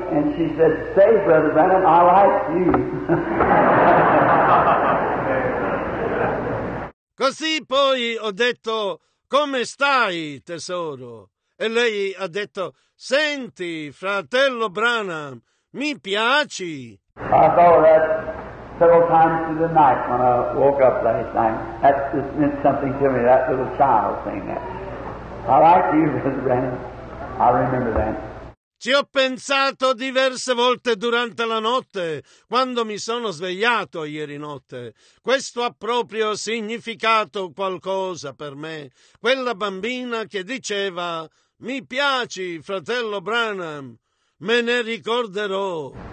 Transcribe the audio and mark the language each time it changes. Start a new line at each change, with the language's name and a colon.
English: And she said, say, Brother Branham, I like you.
Italian: Così poi ho detto, come stai, tesoro? E lei ha detto, senti, fratello Branham, mi piaci.
English: I thought of that several times through the night when I woke up last night. That just meant something to me, that little child saying that. I like you, Brother Branham. I remember that.
Italian: Ci ho pensato diverse volte durante la notte, quando mi sono svegliato ieri notte. Questo ha proprio significato qualcosa per me. Quella bambina che diceva, mi piaci, fratello Branham, me ne ricorderò.